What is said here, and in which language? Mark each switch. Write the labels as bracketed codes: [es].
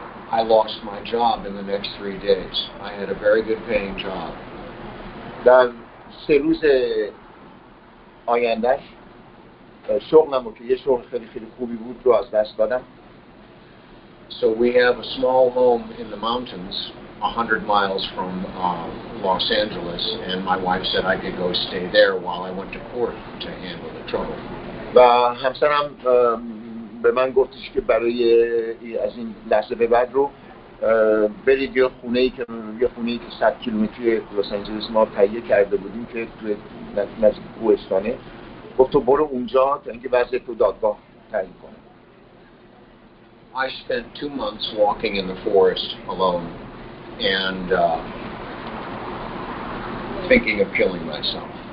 [en] I lost my job in the next 3 days. I had a very good paying job. [fa] در 3 روز آینده شغلم که یه شغل خیلی خیلی خوبی بود رو از دست دادم. [en] So we have a small home in the mountains, 100 miles from Los Angeles, and my wife said I could go stay there while I went to court to handle the trouble. [fa] و همسرم به من گفتش که برای از این لحظه به بعد رو برید یه خونه‌ای که 100 کیلومتری لس آنجلس ما تهیه کرده بودیم که تو نزدیک کوهستانه گفت تو برو اونجا تا اینکه وضعیت رو دادگاه تعیین کنه [en] I spent 2 months walking in the forest alone and thinking of killing myself.